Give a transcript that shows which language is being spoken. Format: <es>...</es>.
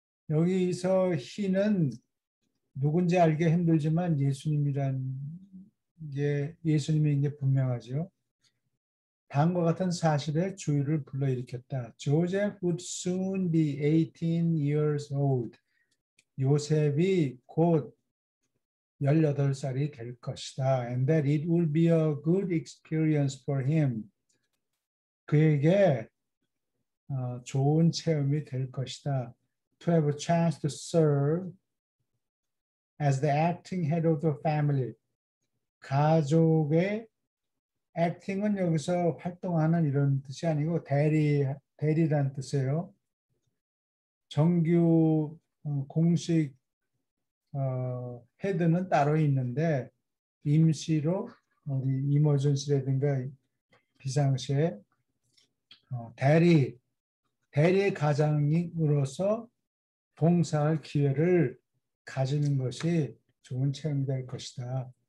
<ko>여기서 he는 누군지 알기 힘들지만 예수님이라는 게 예수님인 게 분명하죠 다음과 같은 사실에 주의를 불러일으켰다.</ko> <en>Joseph would soon be 18 years old.</en> <ko>요셉이 곧 18살이 될 것이다.</ko> <en>And that it would be a good experience for him.</en> <ko>그에게 좋은 체험이 될 것이다.</ko> <en>To have a chance to serve as the acting head of the family.</en> <ko>가족의 acting은 여기서 활동하는 이런 뜻이 아니고 대리란 뜻이에요. 정규 공식 헤드는 따로 있는데 임시로 우리 이머전시라든가 비상시에 대리의 가장으로서 봉사할 기회를 가지는 것이 좋은 체험이 될 것이다.</ko>